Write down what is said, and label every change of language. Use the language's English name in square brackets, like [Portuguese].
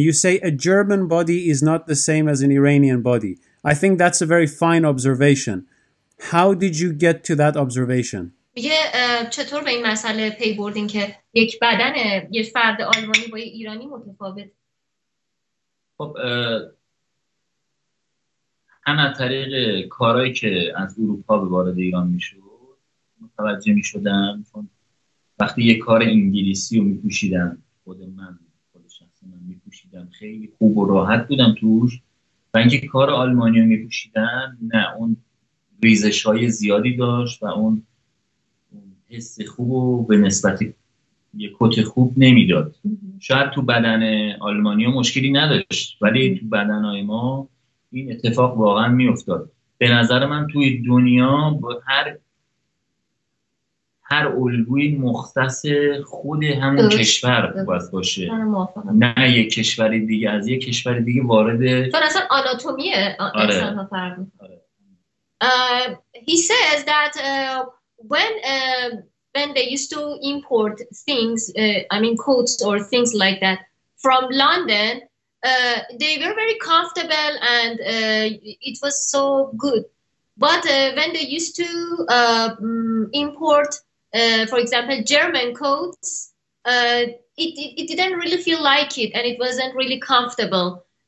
[English] You say a German body is not the same as an Iranian body. I think that's a very fine observation. How did you get to that observation? [Persian] میگه چطور به این مسئله پی بردین که یک بدن یک فرد آلمانی با ایرانی متفاوت؟ با خب همه طریق کارهایی که از اروپا به وارد ایران می شود متوجه می شدم، چون وقتی یه کار انگلیسی رو می پوشیدم، خود من خود شخصی من می پوشیدم، خیلی خوب و راحت بودم توش. و اینکه کار آلمانی رو می پوشیدم، نه اون ریزش های زیادی داشت و اون حس خوب به نسبت یه کت خوب نمیداد. شاید تو بدن آلمانی مشکلی نداشت، ولی تو بدنهای ما این اتفاق واقعا می افتاد. به نظر من توی دنیا با هر الگوی مختص خود همون کشور باید باشه، نه یک کشوری دیگه از یک کشور دیگه وارد، چون اصلا آناتومی انسان ها فرق می‌کنه. [English] He says that when they used to import things, I mean coats or things like that from London, they were very comfortable and it was so good. But when they used to import, for example, German coats, it didn't really feel like it and it wasn't really comfortable.